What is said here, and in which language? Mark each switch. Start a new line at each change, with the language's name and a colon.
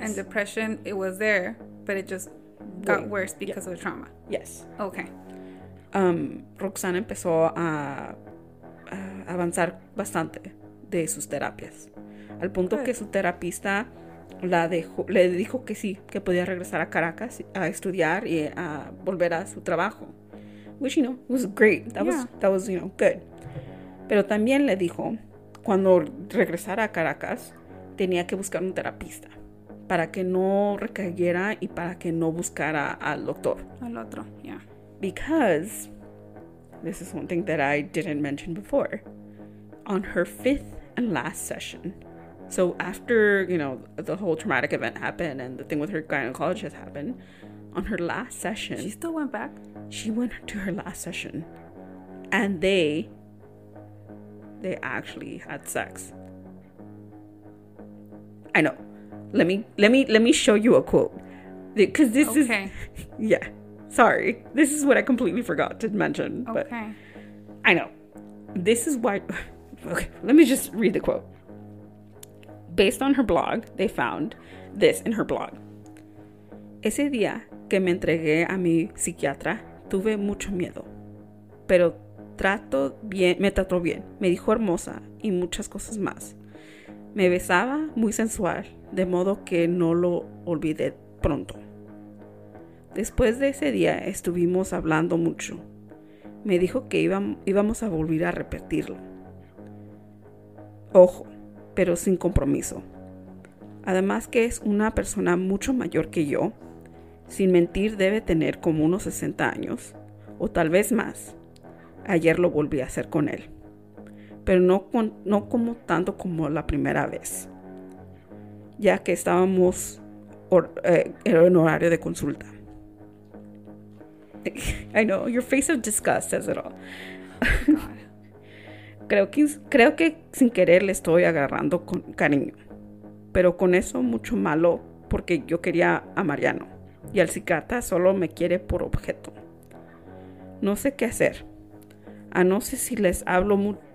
English: And depression, it was there, but it just got worse because of the trauma. Yes. Okay.
Spanish: Roxana empezó a avanzar bastante de sus terapias. Al punto que su terapista le dijo que sí, que podía regresar a Caracas a estudiar y a volver a su trabajo.
English: Which, you know, was great. That was, you know, good.
Spanish: Pero también le dijo, cuando regresara a Caracas, tenía que buscar un terapista. Para que no recayera y para que no buscara al doctor. Al otro, yeah.
English: Because, this is one thing that I didn't mention before, on her fifth and last session, so after, you know, the whole traumatic event happened and the thing with her gynecologist happened, on her last session... She still went back? She went to her last session. And they actually had sex. I know. Let me show you a quote. Because this is... Yeah. Sorry. This is what I completely forgot to mention. Okay. But I know. This is why... Okay. Let me just read the quote. Based on her blog, they found this in her blog.
Spanish: Ese día que me entregué a mi psiquiatra, tuve mucho miedo. Pero me trató bien. Me dijo hermosa y muchas cosas más. Me besaba muy sensual, de modo que no lo olvidé pronto. Después de ese día estuvimos hablando mucho. Me dijo que íbamos a volver a repetirlo. Ojo, pero sin compromiso. Además que es una persona mucho mayor que yo. Sin mentir, debe tener como unos 60 años, o tal vez más. Ayer lo volví a hacer con él. Pero no como tanto como la primera vez, ya que estábamos en horario de consulta.
English: I know, your face of disgust says it all.
Spanish: creo que sin querer le estoy agarrando con cariño, pero con eso mucho malo, porque yo quería a Mariano, y al psiquiatra solo me quiere por objeto. No sé qué hacer, no sé si les hablo mucho.